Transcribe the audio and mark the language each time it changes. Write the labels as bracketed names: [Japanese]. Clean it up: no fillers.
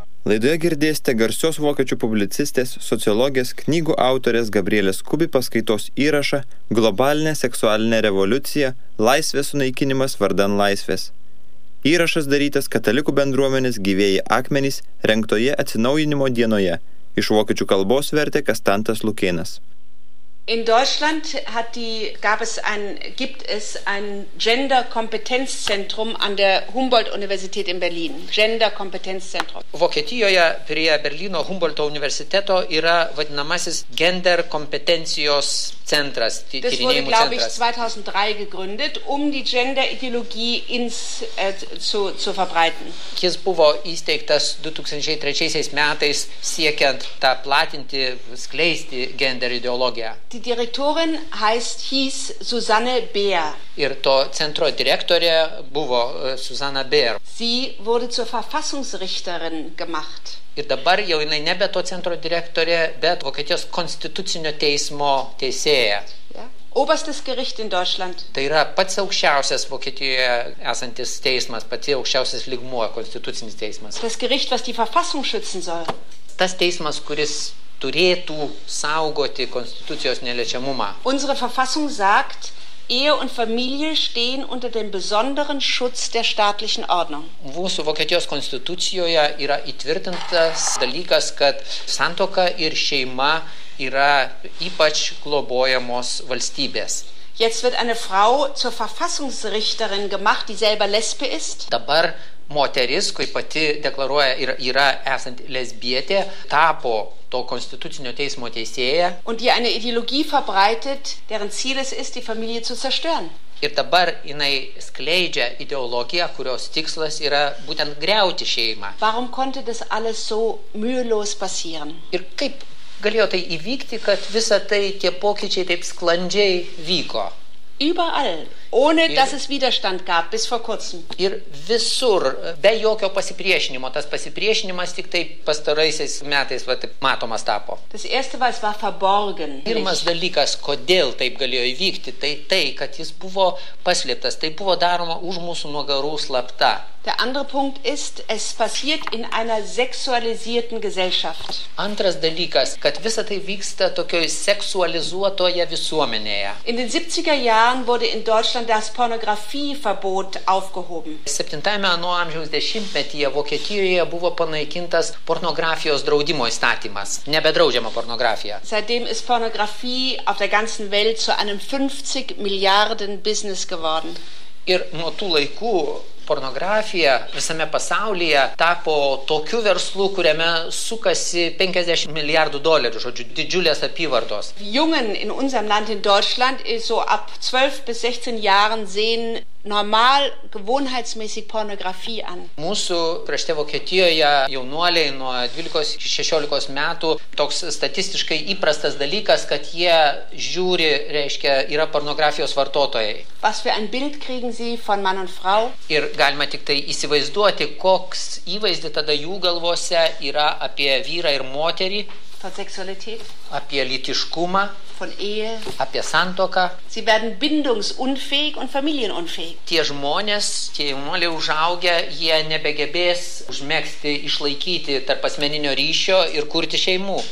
[Lithuanian] Laidoje girdėsite garsios vokiečių publicistės, sociologės, knygų autorės Gabrielės Kubi paskaitos įrašą Globalinė seksualinė revoliucija – laisvės sunaikinimas vardan laisvės. Įrašas darytas Katalikų bendruomenės Gyvėjai akmenys rengtoje atsinaujinimo dienoje. Iš vokiečių kalbos vertė Kastantas Lukėnas. [German] In Deutschland gibt es ein Genderkompetenzzentrum an der Humboldt-Universität in Berlin. Genderkompetenzzentrum. [Lithuanian] Vokietijoje prie Berlyno Humboldto universiteto yra vadinamasis gender kompetencijos centras, tyrinėjimų centras. [German] Das wurde, glaube ich, 2003 gegründet, um die Gender-Ideologie zu verbreiten. [Lithuanian] Jis buvo įsteigtas 2003 metais siekiant tą platinti, skleisti gender-ideologiją. [German] Die Direktorin hieß Susanne Beer. [Lithuanian] Ir to centro direktorė buvo Susanna Beer. [German] Sie wurde zur Verfassungsrichterin gemacht. [Lithuanian] Ir dabar jau jinai nebe to centro direktorė, bet Vokietijos konstitucinio teismo teisėja. [German] Oberstes Gericht in Deutschland. [Lithuanian] Tai yra pats aukščiausias Vokietijoje esantis teismas, pats aukščiausias lygmuo konstitucinis teismas. [German] Das Gericht, was die Verfassung schützen soll. [Lithuanian] Tas teismas, kuris turėtų saugoti konstitucijos neliečiamumą. [German] Unsere Verfassung sagt, Ehe und Familie stehen unter dem besonderen Schutz der staatlichen Ordnung. [Lithuanian] Mūsų Vokietijos konstitucijoje yra įtvirtintas dalykas, kad santoka ir šeima yra ypač globojamos valstybės. [German] Jetzt wird eine Frau zur Verfassungsrichterin gemacht, die selber lesbe ist. [Lithuanian] Dabar moteris, kai pati deklaruoja, yra esant lesbietė, tapo to konstitucinio teismo teisėja. [German] Und die eine Ideologie verbreitet, deren Ziel es ist, die Familie zu zerstören. [Lithuanian] Ir dabar jinai skleidžia ideologiją, kurios tikslas yra būtent griauti šeimą. [German] Warum konnte das alles so mühelos passieren? [Lithuanian] Ir kaip galėjo tai įvykti, kad visa tai tie pokyčiai taip sklandžiai vyko? [German] Überall, ohne dass es Widerstand gab, bis vor kurzem. [Lithuanian] Ir visur, be jokio pasipriešinimo, tas pasipriešinimas tik taip pastaraisiais metais va, taip matomas tapo. [German] Das erste, was war verborgen. [Lithuanian] Pirmas dalykas, kodėl taip galėjo įvykti, tai, kad jis buvo paslėptas, tai buvo daroma už mūsų nugarų slapta. [German] Der andere Punkt ist, es passiert in einer sexualisierten Gesellschaft. [Lithuanian] Antras dalykas, kad visa tai vyksta tokioje seksualizuotoje visuomenėje. [German] In den 70er Jahren wurde in Deutschland das Pornografieverbot aufgehoben. [Lithuanian] 70-ame amžiaus dešimtmetyje Vokietijoje buvo panaikintas pornografijos draudimo įstatymas. Nebedraudžiama pornografija. [German] Seitdem ist Pornografie auf der ganzen Welt zu einem 50 Milliarden Business geworden. [Lithuanian] Ir nuo tų laikų pornografija visame pasaulyje tapo tokiu verslu, kuriame sukasi 50 milijardų dolerių, žodžiu, didžiulės apyvartos. [German] Jungen in unserem Land in Deutschland so ab 12 bis 16 Jahren sehen normal gewohnheitsmäßig Pornografie an. [Lithuanian] Mūsų krašte Vokietijoje jaunuoliai nuo 12 iki 16 metų toks statistiškai įprastas dalykas, kad jie žiūri, reiškia, yra pornografijos vartotojai. [German] Was für ein Bild kriegen Sie von Mann und Frau? [Lithuanian] Ir galima tik tai įsivaizduoti, koks įvaizdį tada jų galvose yra apie vyrą ir moterį. [German] Von Sexualität. [Lithuanian] Apie lytiškumą. [German] Von Ehe. [Lithuanian] Apie santoką. [German] Sie werden bindungsunfähig und familienunfähig. [Lithuanian] Tie žmonės, tie jaunuoliai užaugę, jie nebegebės užmegzti, išlaikyti tarp asmeninio ryšio ir kurti šeimų.